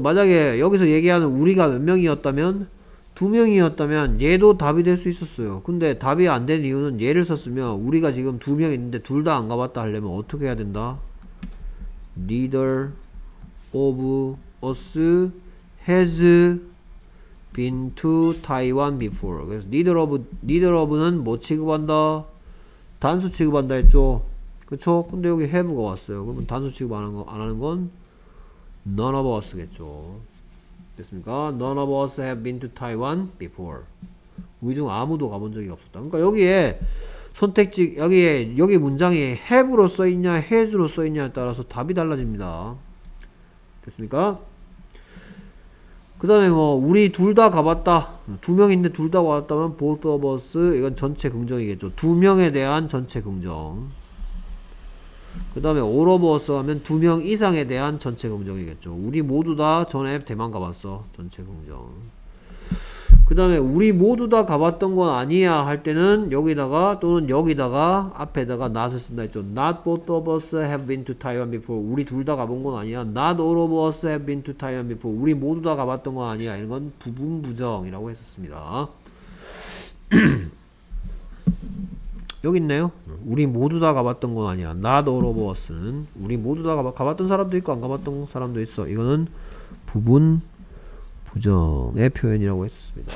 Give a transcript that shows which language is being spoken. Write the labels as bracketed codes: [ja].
[ko] 만약에 여기서 얘기하는 우리가 몇 명이었다면 두 명이었다면 얘도 답이 될수 있었어요. 근데 답이 안된 이유는 얘를 썼으면 우리가 지금 두명 있는데 둘다안 가봤다 하려면 어떻게 해야 된다? [en] Neither of us has been to Taiwan before. [ko] 그래서 neither of는 뭐 취급한다? 단수 취급한다 했죠. 그쵸? 근데 여기 have가 왔어요. 그러면 단수 취급 안 하는 건 none of us 겠죠. 됐습니까? [en] None of us have been to Taiwan before. [ko] 우리 중 아무도 가본 적이 없었다. 그러니까 여기에 선택지, 여기 문장이 have로 써있냐, has로 써있냐에 따라서 답이 달라집니다. 됐습니까? 그 다음에 뭐 우리 둘다 가봤다 두 명인데 둘다 왔다면 both of us 이건 전체 긍정이겠죠. 두 명에 대한 전체 긍정. 그 다음에 all of us 하면 두명 이상에 대한 전체 긍정이겠죠. 우리 모두 다 전에 대만 가봤어 전체 긍정. 그 다음에 우리 모두 다 가봤던 건 아니야 할 때는 여기다가 또는 여기다가 앞에다가 not을 쓴다 했죠. [en] Not both of us have been to Taiwan before. [ko] 우리 둘다 가본 건 아니야. [en] Not all of us have been to Taiwan before. [ko] 우리 모두 다 가봤던 건 아니야. 이런 건 부분 부정이라고 했었습니다. 여기 있네요. 우리 모두 다 가봤던 건 아니야. Not all of us 는 우리 모두 다 가봤던 사람도 있고 안 가봤던 사람도 있어. 이거는 부분 부정의 표현이라고 했었습니다.